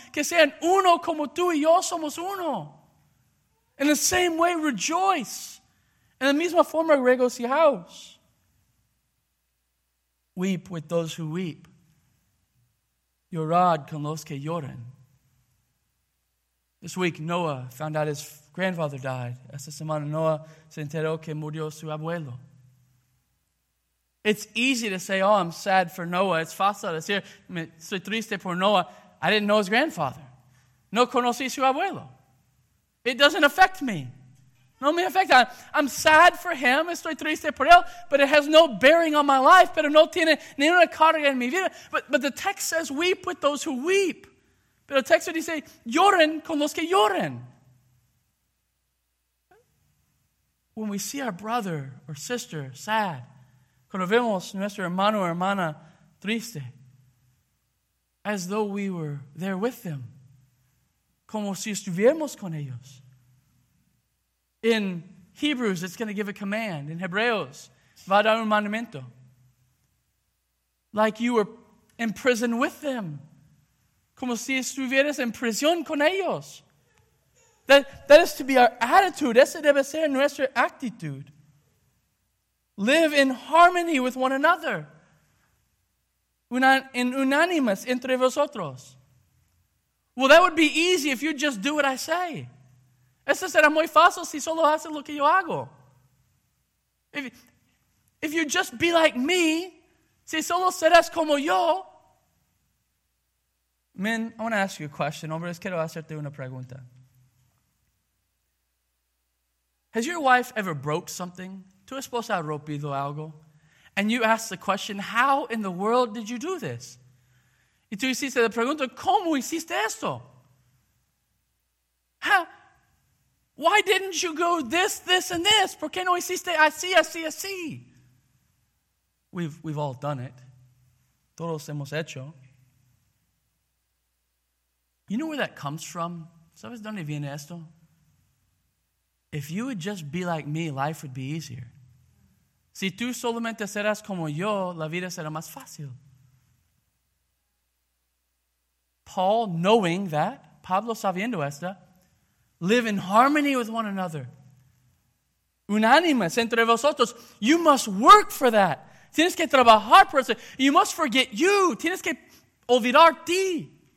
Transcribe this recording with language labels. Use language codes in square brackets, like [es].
[es] Que sean uno como tú y yo somos uno. [en] In the same way, rejoice. [es] In the misma forma, regocijaos. [en] Weep with those who weep. [es] Llorad con los que lloran. [en] This week, Noah found out his grandfather died. [es] Esta semana, Noah se enteró que murió su abuelo. [en] It's easy to say, oh, I'm sad for Noah. [es] It's fácil decir, estoy triste por Noah. [en] I didn't know his grandfather. [es] No conocí su abuelo. [en] It doesn't affect me. [es] No me afecta. [en] I'm sad for him. [es] Estoy triste por él. [en] But it has no bearing on my life. [es] Pero no tiene ni una carga en mi vida. [en] But the text says, weep with those who weep. [es] Pero el texto dice, lloren con los que lloren. [en] when we see our brother or sister sad, [es] cuando vemos nuestro hermano o hermana triste, [en] as though we were there with them, [es] como si estuviéramos con ellos. [en] In Hebrews, it's going to give a command. In [es] Hebreos, va a dar un mandamiento. [en] Like you were in prison with them. [es] Como si estuvieras en prisión con ellos. [en] That is to be our attitude. [es] Esa debe ser nuestra actitud. [en] Live in harmony with one another. [es] En unánimes entre vosotros. [en] Well, that would be easy if you just do what I say. [es] Eso será muy fácil si solo haces lo que yo hago. [en] If you just be like me, [es] si solo serás como yo. [en] Men, I want to ask you a question. [es] Hombres, quiero hacerte una pregunta. [en] Has your wife ever broke something? [es] ¿Tu esposa ha rompido algo? [en] And you ask the question, how in the world did you do this? [es] Y tú hiciste la pregunta, ¿cómo hiciste esto? [en] How? Why didn't you go this, this, and this? [es] ¿Por qué no hiciste así, así, así? [en] We've all done it. [es] Todos hemos hecho. [en] You know where that comes from? [es] ¿Sabes dónde viene esto? [en] If you would just be like me, life would be easier. [es] Si tú solamente serás como yo, la vida será más fácil. [en] Paul, knowing that, [es] Pablo sabiendo esta, [en] live in harmony with one another. [es] Unánimes entre vosotros. [en] You must work for that. [es] Tienes que trabajar por eso. [en] You must forget you. [es] Tienes que olvidar ti.